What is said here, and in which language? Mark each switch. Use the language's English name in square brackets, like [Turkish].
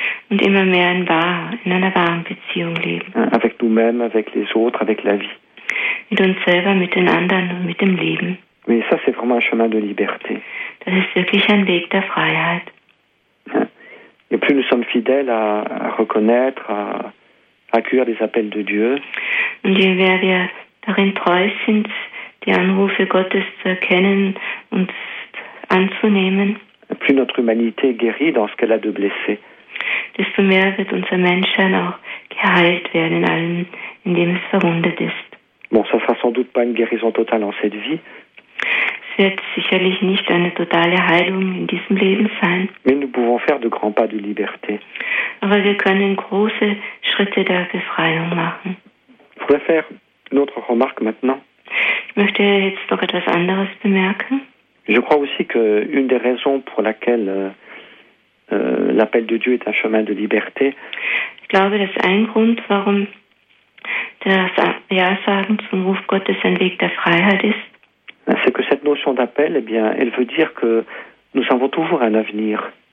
[German] Und immer mehr in einer wahren Beziehung leben. [French] Avec nous-mêmes, avec les autres, avec la vie. [German] Mit uns selber, mit den anderen und mit dem Leben. [French] Mais ça, c'est vraiment un chemin de liberté. [German] Das ist wirklich ein Weg der Freiheit. [French] Et plus nous sommes fidèles à reconnaître, à accueillir les appels de Dieu. [German] Und je mehr wir darin treu sind, die Anrufe Gottes zu erkennen und anzunehmen. [French] Et plus notre humanité guérit dans ce qu'elle a de blessé. [German] Desto mehr wird unser Menschsein auch geheilt werden in allem, in dem es verwundet ist. [French] Bon, ça ne sera sans doute pas une guérison totale en cette vie. [German] wird sicherlich nicht eine totale Heilung in diesem Leben sein. [French] Mais nous pouvons faire de grands pas de liberté. [German] Aber wir können große Schritte der Befreiung machen. [French] Je voudrais faire une autre remarque maintenant. [German] Ich möchte jetzt noch etwas anderes bemerken. [French] Je crois aussi que une des raisons pour laquelle l'appel de Dieu est un chemin de liberté. [German] Ich glaube, dass ein Grund, warum das Ja sagen zum Ruf Gottes ein Weg der Freiheit ist. [French] C'est que cette notion d'appel, eh bien, elle veut dire que nous avons toujours un avenir.